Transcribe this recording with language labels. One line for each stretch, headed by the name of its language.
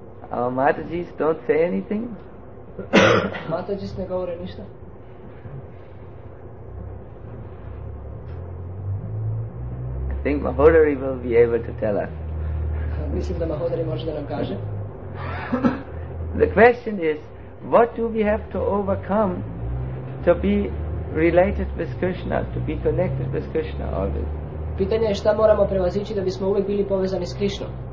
English: Our Matajis don't say anything?
Serbian: Matajis ne govore ništa.
English: I think Mahodari will be able to tell us.
Serbian: Mislim da Mahodari može da nam kaže.
English: The question is, what do we have to overcome to be related with Krishna, to be connected with Krishna always.
Serbian: Pitanje je šta moramo prevazići da bismo uvijek bili povezani s Krishnom.